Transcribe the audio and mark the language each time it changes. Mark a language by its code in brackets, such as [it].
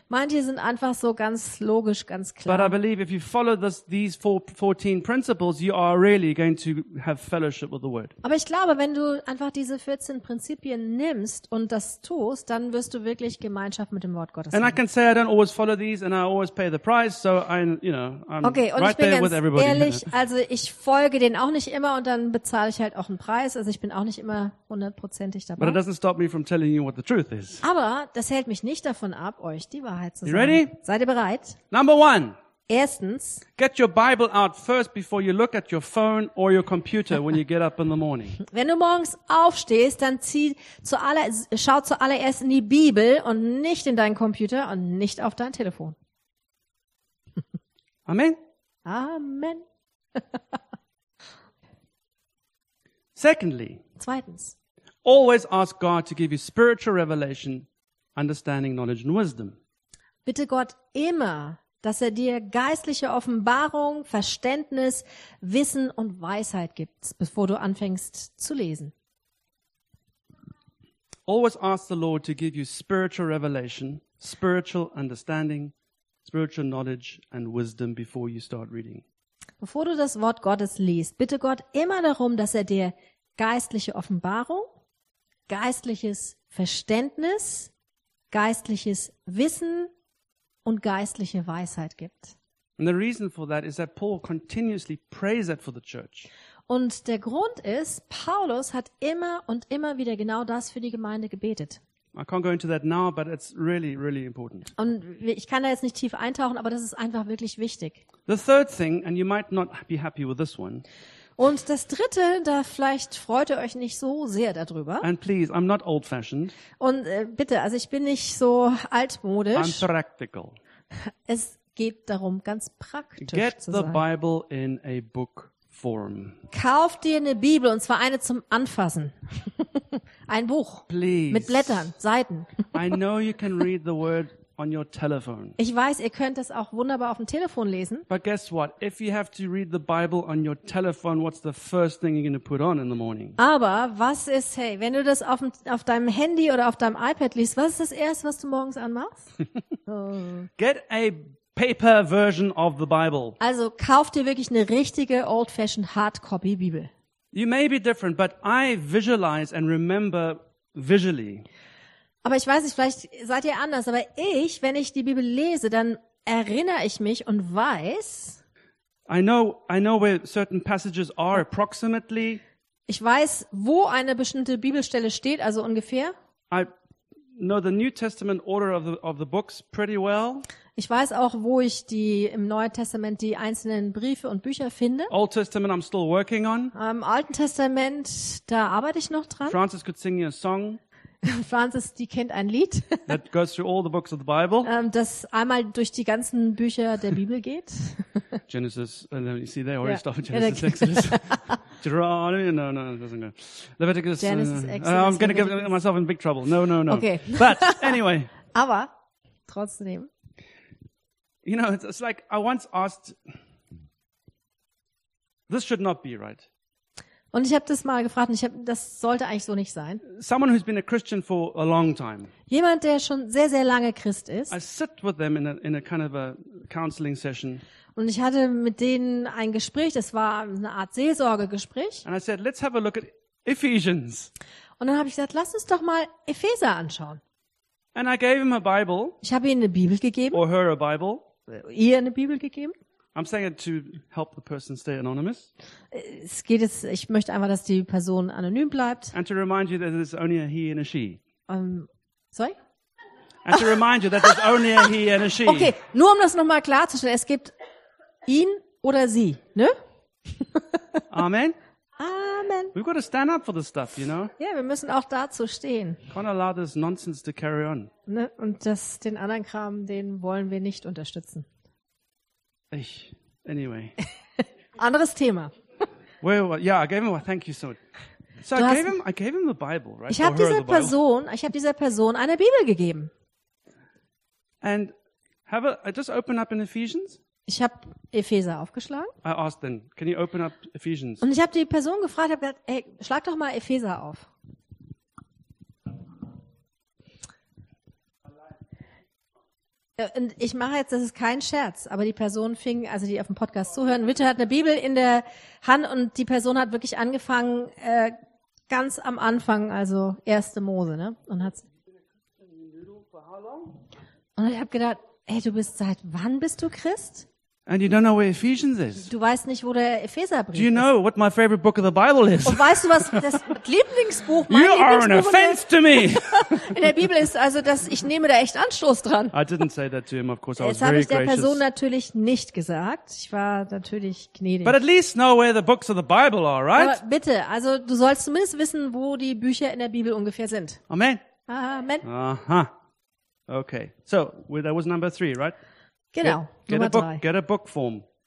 [de] Manche sind einfach so ganz logisch, ganz klar. [en] If you follow these 14 principles, you are really going to have fellowship with the Word. [de] Aber ich glaube, wenn du einfach diese 14 Prinzipien nimmst und das tust, dann wirst du wirklich Gemeinschaft mit dem Wort Gottes haben. [en] And I can say I don't always follow these, and I always pay the price. So I, you know, I'm [de] okay, und [en] right [de] ich bin [en] there [de] ganz [en] with everybody. [de] Ehrlich, also ich folge denen auch nicht immer und dann bezahle ich halt auch einen Preis. Also ich bin auch nicht immer hundertprozentig dabei. [en] But it doesn't stop me from telling you what the truth is. [de] Aber das hält mich nicht davon ab, euch die Wahrheit zu sagen. [en] You ready? [de] Seid ihr bereit? [en] Number one. [de] Erstens, [en] get your Bible out first before you look at your phone or your computer when you get up in the morning. [de] Wenn du morgens aufstehst, dann schau zuallererst in die Bibel und nicht in deinen Computer und nicht auf dein Telefon. Amen. Amen. [en] Secondly, [de] zweitens, [en] always ask God to give you spiritual revelation, understanding, knowledge and wisdom. [de] Bitte Gott immer, dass er dir geistliche Offenbarung, Verständnis, Wissen und Weisheit gibt, bevor du anfängst zu lesen. [en] Always ask the Lord to give you spiritual revelation, spiritual understanding, spiritual knowledge and wisdom before you start reading. [de] Bevor du das Wort Gottes liest, bitte Gott immer darum, dass er dir geistliche Offenbarung, geistliches Verständnis, geistliches Wissen und geistliche Weisheit gibt. [en] And the reason for that is that Paul continuously prays that for the church. [de] Und der Grund ist, Paulus hat immer und immer wieder genau das für die Gemeinde gebetet. [en] I can't go into that now, but it's really, really important. [de] Und ich kann da jetzt nicht tief eintauchen, aber das ist einfach wirklich wichtig. [en] The third thing, and you might not be happy with this one. [de] Und das Dritte, da vielleicht freut ihr euch nicht so sehr darüber. [en] And please, I'm not old-fashioned. [de] Und bitte, also ich bin nicht so altmodisch. [en] I'm practical. [de] Es geht darum, ganz praktisch [en] Get [de] zu sein. [en] The Bible in a book form. [de] Kauf dir eine Bibel, und zwar eine zum Anfassen. Ein Buch. [en] Please. [de] Mit Blättern, Seiten. [en] I know you can read the word on your telephone. [de] Ich weiß, ihr könnt das auch wunderbar auf dem Telefon lesen. [en] But guess what? If you have to read the Bible on your telephone, what's the first thing you're going to put on in the morning? [de] Aber was ist, hey, wenn du das auf deinem Handy oder auf deinem iPad liest, was ist das erste, was du morgens anmachst? [en] Get a paper version of the Bible. [de] Also kauf dir wirklich eine richtige [en] old-fashioned [de] Hardcopy Bibel. [en] You may be different, but I visualize and remember visually. [de] Aber ich weiß nicht, vielleicht seid ihr anders, aber ich, wenn ich die Bibel lese, dann erinnere ich mich und weiß, [en] I know where certain passages are approximately. [de] Ich weiß, wo eine bestimmte Bibelstelle steht, also ungefähr. [en] I know the New Testament order of the books pretty well. [de] Ich weiß auch, wo ich die im Neuen Testament die einzelnen Briefe und Bücher finde. [en] Old Testament I'm still working on. [de] Im Alten Testament, da arbeite ich noch dran. [en] Francis could sing you a song. [de] Francis, die kennt ein Lied, [en] that goes through all the books of the Bible. [de] Das einmal durch die ganzen Bücher der Bibel geht. [en] Genesis, and then you see they already stop at Genesis, Exodus. Deuteronomy, no, it doesn't go. Leviticus, Genesis, Exodus. I'm going to give myself in big trouble. No. Okay. But anyway. [de] Aber trotzdem. [en] You know, it's like I once asked, this should not be right. [de] Und ich habe das mal gefragt, und das sollte eigentlich so nicht sein. [en] Someone who's been a Christian for a long time. [de] Jemand, der schon sehr, sehr lange Christ ist. [en] I sit with them in a kind of a counseling session. [de] Und ich hatte mit denen ein Gespräch, das war eine Art Seelsorgegespräch. [en] And I said, let's have a look at Ephesians. [de] Und dann habe ich gesagt, lass uns doch mal Epheser anschauen. [en] And I gave him a Bible. [de] Ich habe ihm eine Bibel gegeben. [en] Or her a Bible. [de] Ihr eine Bibel gegeben. [en] I'm saying it to help the person stay anonymous. [de] Es geht es. Ich möchte einfach, dass die Person anonym bleibt. [en] And to remind you that there's only a he and a she. Sorry. And to remind you that there's only a he and a she. [de] Okay, nur um das nochmal klarzustellen: Es gibt ihn oder sie, ne? Amen. Amen. [en] We've got to stand up for this stuff, you know. [de] Ja, wir müssen auch dazu stehen. [en] Can't allow this nonsense to carry on. [de] Ne? Und das, den anderen Kram, den wollen wir nicht unterstützen. Ich, [en] anyway. [de] Anderes Thema. [en] Yeah, I gave him. Thank you so. So I gave him. I gave him the Bible, right? [de] Ich habe dieser Person, eine Bibel gegeben. [en] And have a, I just opened up in Ephesians. [de] Ich habe Epheser aufgeschlagen. [en] I asked them, can you open up Ephesians? [de] Und ich habe die Person gefragt, habe gesagt, ey, schlag doch mal Epheser auf. Und ich mache jetzt, das ist kein Scherz, aber die Person fing, also die auf dem Podcast zuhören, Witte hat eine Bibel in der Hand und die Person hat wirklich angefangen, ganz am Anfang, also 1. Mose, ne? Und hat's. Und ich habe gedacht, ey, du bist seit wann bist du Christ? [en] And you don't know where Ephesians is. [de] Du weißt nicht, wo der Epheserbrief ist. [en] Do you know what my favorite book of the Bible is? [de] Und weißt du, was das Lieblingsbuch mein [en] you [de] Lieblingsbuch [en] are an offense to me. [de] In der Bibel ist, also dass ich nehme da echt Anstoß dran. [en] I didn't say that to him, of course. I was very gracious. [de] Das habe ich der Person natürlich nicht gesagt. Ich war natürlich gnädig. [en] But at least know where the books of the Bible are, right? [de] Aber bitte, also du sollst zumindest wissen, wo die Bücher in der Bibel ungefähr sind. Amen. Amen. Aha. Okay. [en] So, well, that was number three, right? [de] Genau, [en] get a book, get a book form.